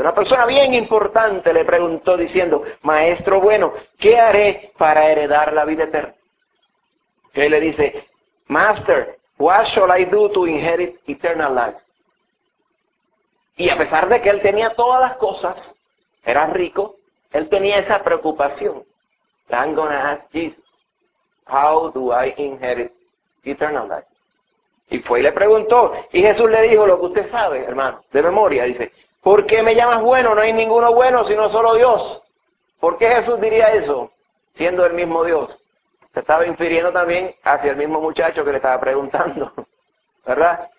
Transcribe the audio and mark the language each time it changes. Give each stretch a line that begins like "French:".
Spanish: Una persona bien importante le preguntó diciendo, maestro bueno, ¿qué haré para heredar la vida eterna? Y él le dice,
English: master, what shall I do to inherit eternal life?
Spanish: Y a pesar de que él tenía todas las cosas, era rico, él tenía esa preocupación.
English: I'm going to ask Jesus, how do I inherit eternal life?
Spanish: Y fue y le preguntó, y Jesús le dijo lo que usted sabe, hermano, de memoria, dice, ¿por qué me llamas bueno? No hay ninguno bueno, sino solo Dios. ¿Por qué Jesús diría eso, siendo el mismo Dios? Se estaba infiriendo también hacia el mismo muchacho que le estaba preguntando, ¿verdad?